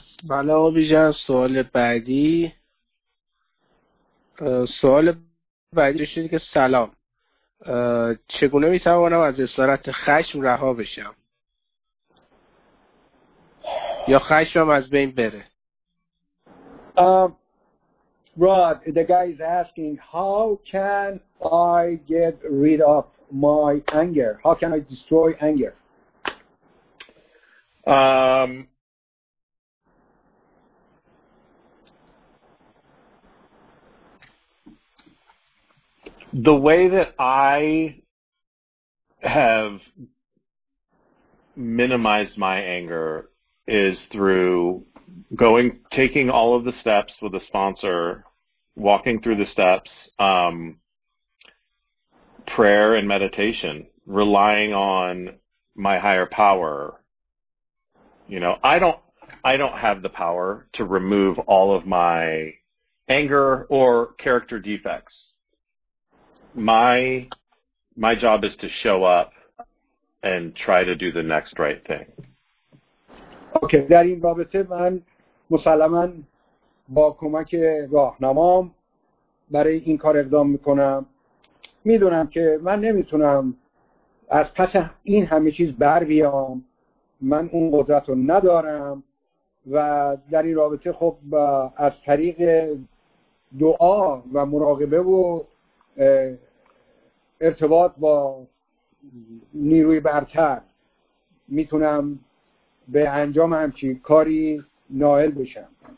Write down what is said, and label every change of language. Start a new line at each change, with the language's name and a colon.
Persian: بله آبی جان، سوال بعدی شده که سلام، چگونه میتوانم از اسارت خشم رها بشم یا خشمم از بین بره؟
English: Rod, the guy is asking, how can I get rid of my anger? How can I destroy anger? The way that I have minimized my anger is through taking all of the steps with a sponsor, walking through the steps, prayer and meditation, relying on my higher power. You know, I don't have the power to remove all of my anger or character defects. My job is to show up and try to do the next right thing.
Persian: Okay, در این رابطه من مسلماً با کمک راهنمام برای این کار اقدام میکنم. میدونم که من نمیتونم از پس این همه چیز بر بیام، من اون قدرت رو ندارم و در این رابطه خب از طریق دعا و مراقبه و ارتباط با نیروی برتر میتونم به انجام همچین کاری نائل بشم.